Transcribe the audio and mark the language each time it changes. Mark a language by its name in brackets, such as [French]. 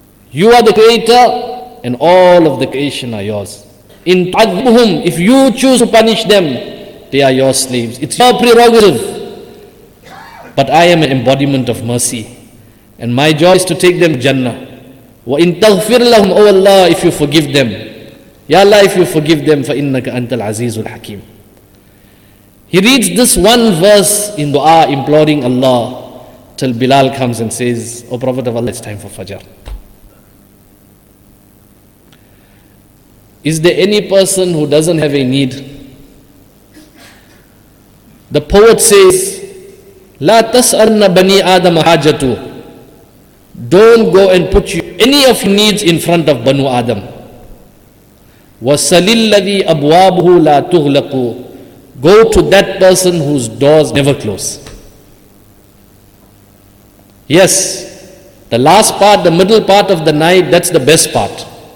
[English] You are the creator and all of the creation are yours. In tu'adhibhum, if you choose to punish them, they are your slaves. It's your prerogative. But I am an embodiment of mercy. And my job is to take them to Jannah. [Arabic] وَإِنْ تَغْفِرْ لَهُمْ أَوَ اللَّهِ [English] if you forgive them. Ya Allah, if you forgive them, [Arabic] فَإِنَّكَ أَنْتَ الْعَزِيزُ الْحَكِيمُ. [English] He reads this one verse in dua, imploring Allah, till Bilal comes and says, O Prophet of Allah, it's time for Fajr. Is there any person who doesn't have a need? The poet says, [Arabic] لَا تَسْأَلْنَ بَنِي آدَمَ حَاجَتُ. [English] Don't go and put any of your needs in front of Banu Adam. [Arabic] وَسَلِ الَّذِي أَبْوَابُهُ لَا تُغْلَقُ. [English] Go to that person whose doors never close. Yes, the last part, the middle part of the night, that's the best part.